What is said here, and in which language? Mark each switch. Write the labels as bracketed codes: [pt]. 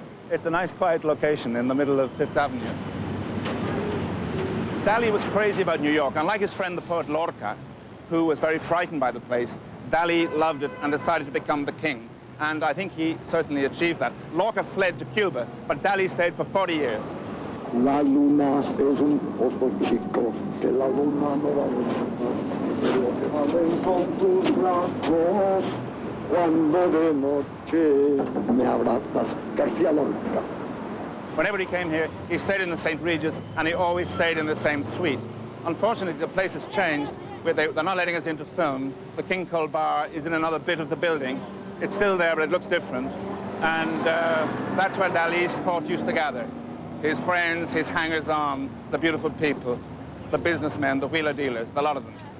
[en] It's a nice, quiet location in the middle of Fifth Avenue. Dali was crazy about New York, unlike his friend, the poet Lorca, who was very frightened by the place. Dali loved it and decided to become the king. And I think he certainly achieved that. Lorca fled to Cuba, but Dali stayed for 40 years. [es] La luna es un pozo chico, que la luna no va a brazos, cuando de noche me abrazas, García Lorca. [en] Whenever he came here, he stayed in the St. Regis, and he always stayed in the same suite. Unfortunately, the place has changed. They're not letting us into film. The King Cole Bar is in another bit of the building. It's still there, but it looks different. And that's where Dali's court used to gather. His friends, his hangers-on, the beautiful people, the businessmen, the wheeler dealers, a lot of them.